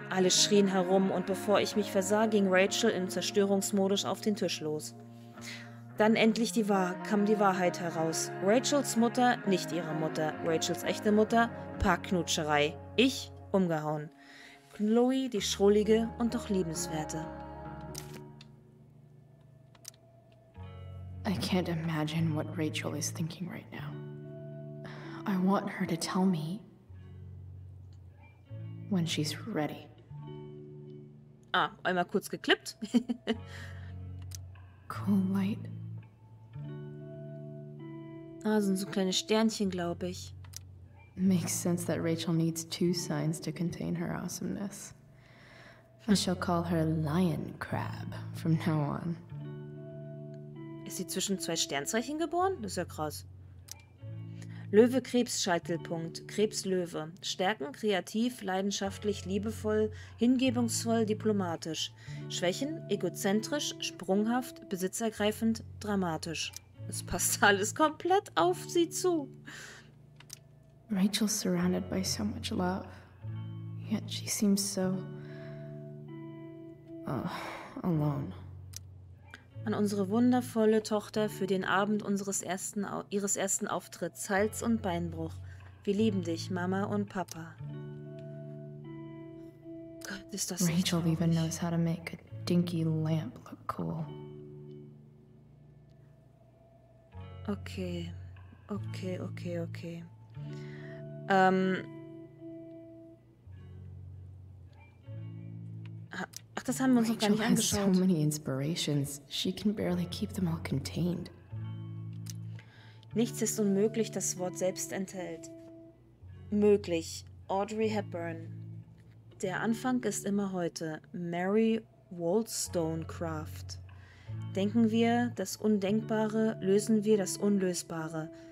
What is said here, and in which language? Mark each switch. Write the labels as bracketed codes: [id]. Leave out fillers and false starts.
[de] Alle schrien herum und bevor ich mich versah, ging Rachel im Zerstörungsmodus auf den Tisch los. Dann endlich kam die Wahrheit heraus. Rachels Mutter, nicht ihre Mutter. Rachels echte Mutter, Parkknutscherei. Ich, umgehauen. Chloe, die Schrullige und doch Liebenswerte. [en] I can't imagine what Rachel is thinking right now. I want her to tell me when she's ready. [de] Ah, einmal kurz geklippt. [en] Cool light. [de] Ah, sind so kleine Sternchen, glaube ich. [en] Makes sense that Rachel needs two signs to contain her awesomeness. I shall call her Lion Crab from now on. [de] Ist sie zwischen zwei Sternzeichen geboren? Das ist ja krass. Löwe, Krebs, Scheitelpunkt. Krebs, Löwe. Stärken, kreativ, leidenschaftlich, liebevoll, hingebungsvoll, diplomatisch. Schwächen, egozentrisch, sprunghaft, besitzergreifend, dramatisch. Es passt alles komplett auf sie zu. [en] Rachel's surrounded by so much love. Yet she seems so alone. [de] An unsere wundervolle Tochter für den Abend ihres ersten Auftritts, Hals- und Beinbruch. Wir lieben dich, Mama und Papa. Gott, ist das [en] Rachel even knows how to make a dinky lamp look cool. [de] Okay. Ach, das haben wir uns [en] Rachel [de] noch gar nicht angeschaut. [en] Rachel has so many inspirations. She can barely keep them all contained. [de] Nichts ist unmöglich, das Wort selbst enthält. Möglich. Audrey Hepburn. Der Anfang ist immer heute. Mary Wollstonecraft. Denken wir das Undenkbare, lösen wir das Unlösbare.